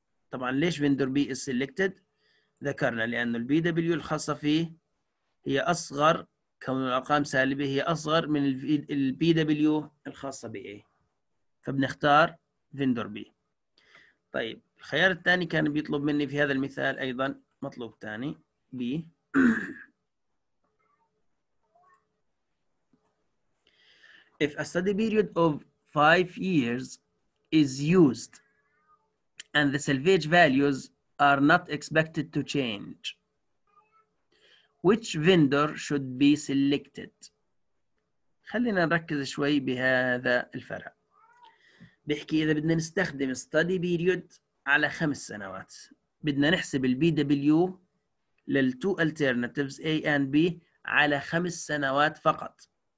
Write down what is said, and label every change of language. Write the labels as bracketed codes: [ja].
[ar] طبعا ليش [en] vendor B is selected؟ [ar] ذكرنا لأن البي دبليو الخاصة فيه هي أصغر، كون الأرقام سالبة هي أصغر من البي دبليو الخاصة بـ A، فبنختار [en] vendor B. [ar] طيب الخيار الثاني كان بيطلب مني في هذا المثال أيضا مطلوب ثاني B. [en] If a study period of 5 years is used and the salvage values are not expected to change, which vendor should be selected? [ar] خلينا نركز شوي بهذا الفرق. بيحكي إذا بدنا نستخدم study period على 5 سنوات، بدنا نحسب الـ BW للـ [en] two alternatives A and B [ar] على 5 سنوات فقط.